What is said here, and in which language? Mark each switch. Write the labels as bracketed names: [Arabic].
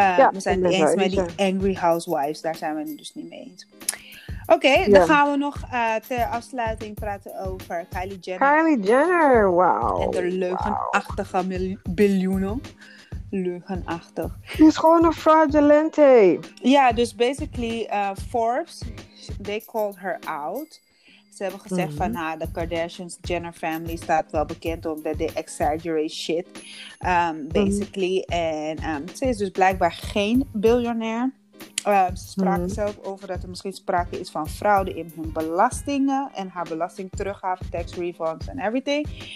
[Dutch] We zijn het eens met die [English] angry housewives. [Dutch] Daar zijn we het dus niet mee eens. Oké, dan gaan we nog ter afsluiting praten over Kylie Jenner. Kylie Jenner, wauw. En de leugenachtige biljoenen. Leugenachtig. Die is gewoon een fraudulente. Ja, dus [English] basically Forbes, they called her out. [Dutch] Ze hebben gezegd van de Kardashians-Jenner family staat wel bekend omdat [English] they exaggerate shit. Basically. [Dutch] En ze is dus blijkbaar geen biljonair. Ze spraken zelf over dat er misschien sprake is van fraude in hun belastingen en haar belasting teruggaf, [English] tax refunds [Dutch] en everything.